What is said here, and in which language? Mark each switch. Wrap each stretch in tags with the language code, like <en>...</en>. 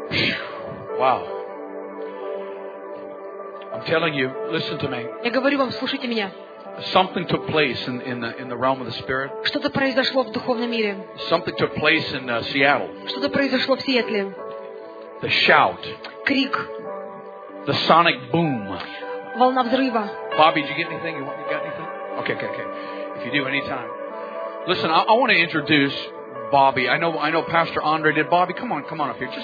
<en>Wow. I'm telling you, listen to me.</en> <ru>Я говорю вам, слушайте меня.</ru> <en>Something took place in the realm of the spirit.</en> <ru>Что-то произошло в духовном мире.</ru> <en>Something took place in Seattle.</en> <ru>Что-то произошло в Сиэтле.</ru> <en>The shout.</en> <ru>Крик.</ru> <en>The sonic boom.</en> <ru>Волна взрыва.</ru> <en>Bobby, did you get anything? You got anything? Okay. If you do, anytime. Listen, I want to introduce Bobby. I know Pastor Andre did. Bobby, come on up here. Just,</en>